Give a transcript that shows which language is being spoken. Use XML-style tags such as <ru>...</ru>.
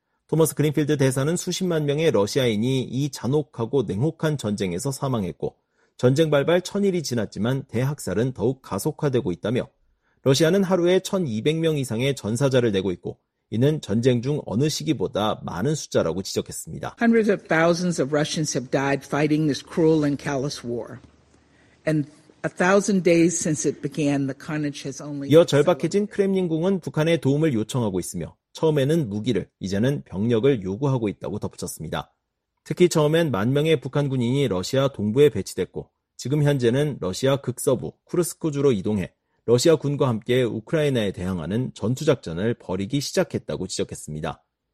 <ko>토마스 그린필드 대사는 수십만 명의 러시아인이 이 잔혹하고 냉혹한 전쟁에서 사망했고 전쟁 발발 천일이 지났지만 대학살은 더욱 가속화되고 있다며 러시아는 하루에 1,200명 이상의 전사자를 내고 있고 이는 전쟁 중 어느 시기보다 많은 숫자라고 지적했습니다.</ko> <en>Hundreds of thousands of Russians have died fighting this cruel and callous war. And 1,000 days since it began, the carnage has only.</en> <ko>이어 절박해진 크렘린궁은 북한의 도움을 요청하고 있으며 처음에는 무기를, 이제는 병력을 요구하고 있다고 덧붙였습니다. 특히 처음엔 만 명의 북한 군인이 러시아 동부에 배치됐고 지금 현재는 러시아 극서부 쿠르스크주로 이동해 러시아 군과 함께 우크라이나에 대항하는 전투작전을 벌이기 시작했다고 지적했습니다.</ko>